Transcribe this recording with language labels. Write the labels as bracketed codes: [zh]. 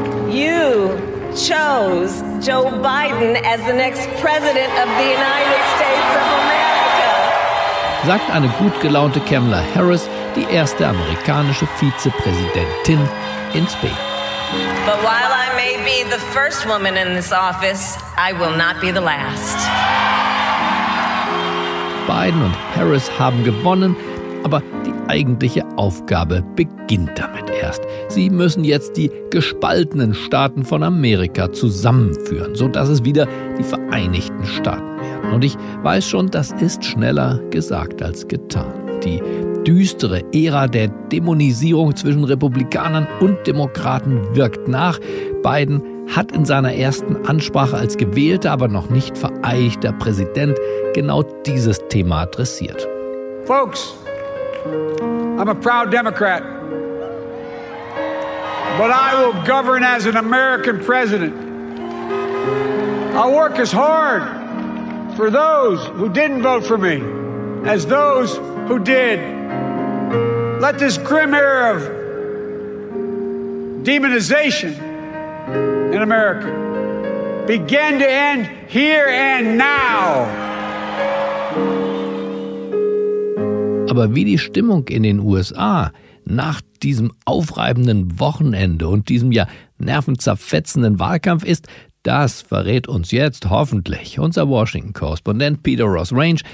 [en] You chose Joe Biden as the next president of the United States of America. [de] Sagt eine gut gelaunte Kamala Harris, die erste amerikanische Vizepräsidentin, in Spain. [en] But while I may be the first woman in this office, I will not be the last. [de] Biden und Harris haben gewonnen, aber die eigentliche Aufgabe beginnt damit erst. Sie müssen jetzt die gespaltenen Staaten von Amerika zusammenführen, sodass es wieder die Vereinigten Staaten werden. Und ich weiß schon, das ist schneller gesagt als getan. Die düstere Ära der Dämonisierung zwischen Republikanern und Demokraten wirkt nach. Biden hat in seiner ersten Ansprache als gewählter, aber noch nicht vereidigter Präsident genau dieses Thema adressiert. [en] Folks, I'm a proud Democrat, but I will govern as an American president. I'll work as hard for those who didn't vote for me as those who did. Let this grim era of demonization in America begin to end here and now. [de] Aber wie die Stimmung in den USA nach diesem aufreibenden Wochenende und diesem ja nervenzerfetzenden Wahlkampf ist, das verrät uns jetzt hoffentlich unser Washington-Korrespondent Peter Ross Range.